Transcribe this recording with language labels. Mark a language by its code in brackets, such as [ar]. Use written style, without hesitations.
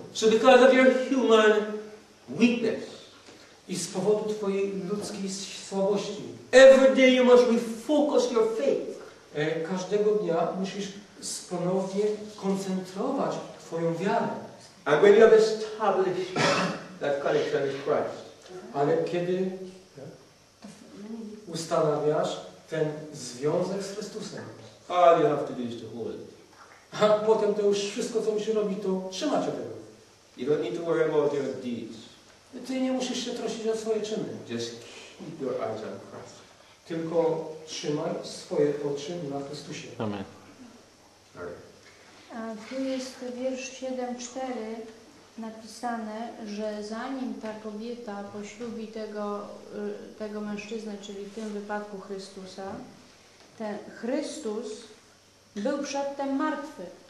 [en] So because of your human weakness. [pl] I z powodu twojej ludzkiej słabości. [en] Every day you must refocus your faith. [pl] Każdego dnia musisz ponownie koncentrować twoją wiarę. [en] And when you have established that connection with Christ. [pl] Ale kiedy ustanawiasz ten związek z Chrystusem. [en] All you have to do is to hold it. [pl] A potem to już wszystko, co musisz robić, to trzymać od tego. [en] You don't need to worry about your deeds. [pl] Ty nie musisz się troszczyć o swoje czyny. [en] Just keep your eyes on Christ. [pl] Tylko trzymaj swoje oczy na Chrystusie. [en] Amen. Amen. [pl] A tu jest wiersz 7:4 napisane, że zanim ta kobieta poślubi tego mężczyznę, czyli w tym wypadku Chrystusa, ten Chrystus był przedtem martwy.